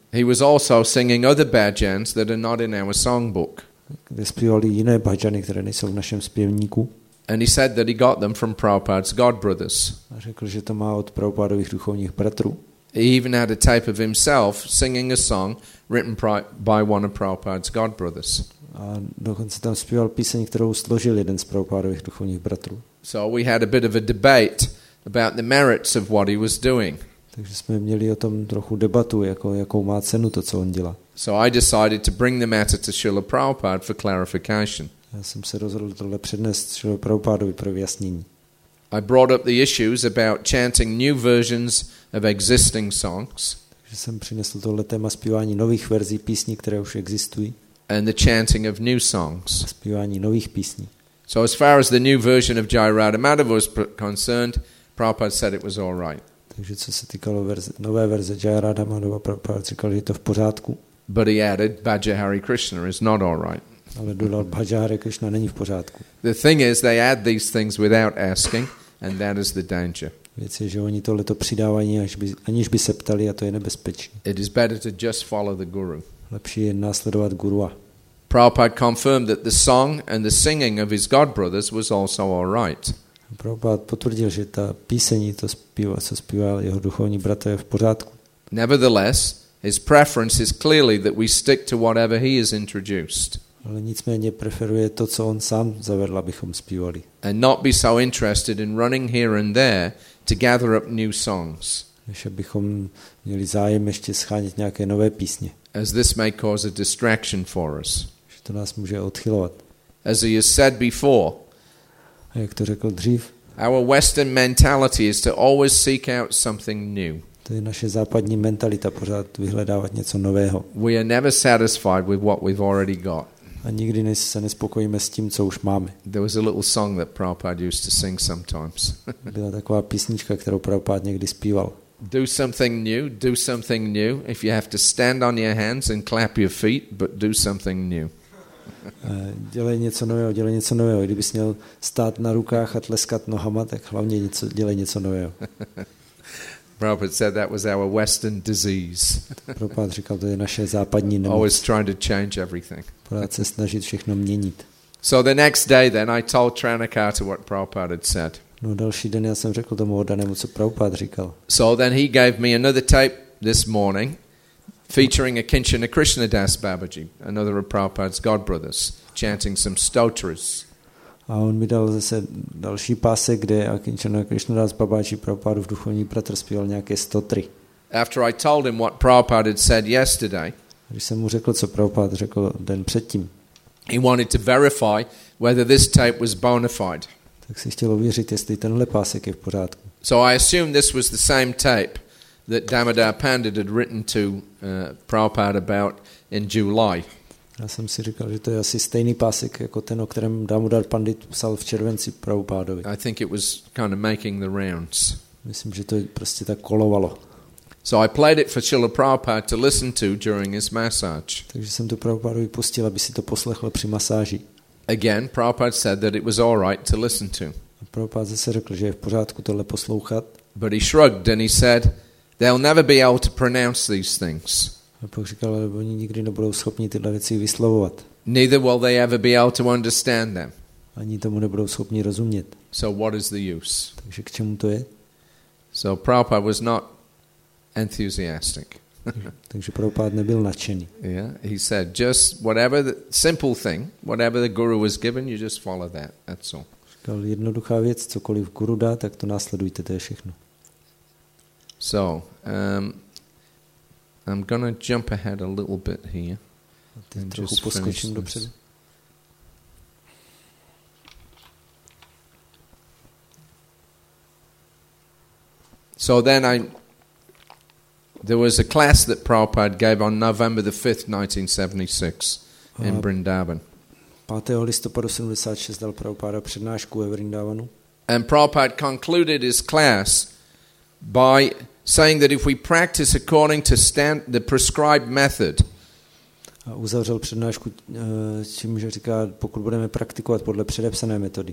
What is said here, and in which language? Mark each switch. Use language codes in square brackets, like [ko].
[en] He was also singing other bhajans that are not in our songbook. [cs] Kde zpívali jiné bhajany, které nejsou v našem zpěvníku. [en] And he said that he got them from Prabhupada's god brothers. [cs] A řekl, že to má od Prabhupádových duchovních bratrů. [en] He even had a tape of himself singing a song written by one of Prabhupada's god brothers. [cs] A dokonce tam zpíval píseň, kterou složil jeden z Prabhupádových duchovních bratrů. [en] So we had a bit of a debate about the merits of what he was doing. [cs] Takže jsme měli o tom trochu debatu, jakou má cenu to, co on dělá. [en] So I decided to bring the matter to Srila Prabhupada for clarification. [cs] Já jsem se rozhodl tohle přednést Srila Prabhupádovi pro vyjasnění. [en] I brought up the issues about chanting new versions of existing songs. [cs] Takže jsem přinesl tohle téma zpívání nových verzí písní, které už existují. [en] And the chanting of new songs. [cs] Zpívání nových písní. [en] So as far as the new version of Jai Radha Madhava was concerned, Prabhupada said it was all right. [cs] Takže co se týkalo nové verze Jai Radha Madhava, Prabhupada říkal, že je to v pořádku. [en] But he added, Bhaja Hare Krishna is not all right. [cs] Ale dodal, Bhaja Hare Krishna není v pořádku. [en] The thing is, they add these things without asking, and that is the danger. [cs] Věc je, že oni tohleto přidávají, aniž by se ptali, a to je nebezpečné. [en] It is better to just follow the guru. [cs] Lepší je následovat gurua. [en] Prabhupada confirmed that the song and the singing of his god brothers was also all right. [cs] Prabhupada potvrdil, že ta písení, to zpívá, co zpíval jeho duchovní bratr, je v pořádku. [en] Nevertheless, his preference is clearly that we stick to whatever he has introduced. [cs] Ale nicméně preferuje to, co on sám zavedl, abychom zpívali. [en] And not be so interested in running here and there to gather up new songs. [cs] Než abychom měli zájem ještě schánět nějaké nové písně. [en] As this may cause a distraction for us. [cs] Že to nás může odchylovat. [en] As he has said before. [cs] A jak to řekl dřív. [en] Our Western mentality is to always seek out something new. [cs] To je naše západní mentalita, pořád vyhledávat něco nového. [en] We are never satisfied with what we've already got. [cs] A nikdy se nespokojíme s tím, co už máme. [en] There was a little song that Prabhupada used to sing sometimes. [cs] Byla taková písnička, kterou Prabhupada někdy zpíval. [en] Do something new, do something new. If you have to stand on your hands and clap your feet, but do something new. [cs] Dělej něco nového, dělej něco nového. Kdybys měl stát na rukách a tleskat nohama, tak hlavně něco, dělej něco nového. [en] Prabhupada said that was our Western disease. [cs] Prabhupada říkal, to je naše západní nemoc. [en] Always trying to change everything. [cs] Pořád se snažit všechno měnit. [en] So the next day then I told Tranakata what Prabhupada had said. [cs] No další den já jsem řekl tomu oddanému, co Prabhupada říkal. [en] So then he gave me another tape this morning featuring Akinchana Krishnadas Babaji, another of Prabhupada's god brothers, chanting some stotras. [cs] A on mi dal zase další pásek, kde Akinchana Krishnadas Babaji, Prabhupádův duchovní bratr, zpíval nějaké stotry. [en] After I told him what Prabhupada had said yesterday, [cs] když jsem mu řekl, co Prabhupada řekl den předtím, [en] he wanted to verify whether this tape was bona fide. [cs] Tak si chtěl ověřit, jestli tenhle pásek je v pořádku. [en] So I assumed this was the same tape that Damodar Pandit had written to Prabhupada about in July. [cs] Já jsem si říkal, že to je asi stejný pásek jako ten, o kterém Damodar Pandit psal v červenci Prabhupádovi. [en] I think it was kind of making the rounds. [cs] Myslím, že to prostě tak kolovalo. [en] So I played it for Srila Prabhupada to listen to during his massage. [cs] Takže jsem to Prabhupádovi pustil, aby si to poslechl při masáži. [en] Again, Prabhupada said that it was all right to listen to. [cs] Prabhupada zase řekl, že je v pořádku tohle poslouchat. [en] But he shrugged and he said, "They'll never be able to pronounce these things." [cs] A pak říkal, že oni nikdy nebudou schopni tyhle věci vyslovovat. [en] Neither will they ever be able to understand them. [cs] Ani tomu nebudou schopni rozumět. [en] So what is the use? [cs] Takže k čemu to je? [en] So Prabhupada was not enthusiastic. [cs] Takže Prabhupada nebyl nadšený. [en] Yeah, he said, just whatever the simple thing, whatever the guru was given, you just follow that. That's all. [cs] Říkal, jednoduchá věc, cokoliv guru dá, tak to následujte, to je všechno. [en] So, I'm gonna jump ahead a little bit here. [cs] Trochu poskočím dopředu. [en] So then there was a class that Prabhupada gave on November the 5th, 1976 in Vrindavan. [cs] 5. listopadu 76 dal Prabhupada přednášku ve Vrindavanu. [en] And Prabhupada concluded his class by saying that if we practice according to the prescribed method, [cs] A uzavřel přednášku tím, že říká, pokud budeme praktikovat podle předepsané metody.